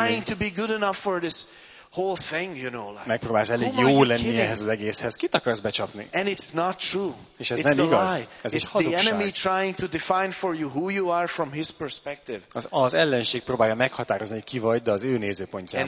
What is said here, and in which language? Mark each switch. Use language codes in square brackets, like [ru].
[en] You're trying to be good enough for this whole thing, you know, like. [hu] Megpróbálsz elég jó lenni ehhez az egészhez. Kit akarsz becsapni? [en] And it's not true. [hu] És ez [en] it's [hu] nem igaz. [en] Lie. [hu] Ez [en] it's [hu] egy hazugság. [en] The enemy trying to define for you who you are from his perspective. [hu] Az ellenség próbálja meghatározni, hogy ki vagy, de az ő nézőpontjából.